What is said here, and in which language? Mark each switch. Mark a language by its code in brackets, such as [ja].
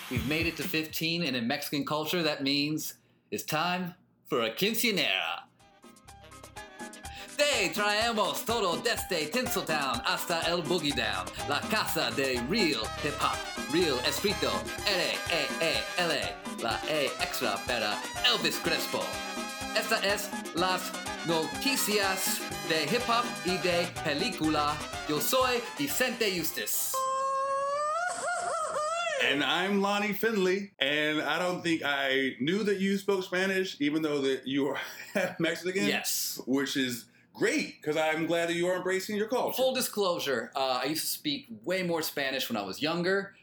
[en] We've made it to 15, and in Mexican culture, that means it's time for a quinceañera. [es] Te traemos todo desde Tinseltown hasta el Boogie Down, la casa de real hip hop. Real escrito, R-E-E-L, la E extra para Elvis Crespo. Esta es las noticias de hip hop y de película. Yo soy Vicente Eustace. [en] And I'm Lonnie Finley, and I don't think I knew that you spoke Spanish, even though that you are Mexican. Yes. Which is great, because I'm glad that you are embracing your culture. Full disclosure, I used to speak way more Spanish when I was younger.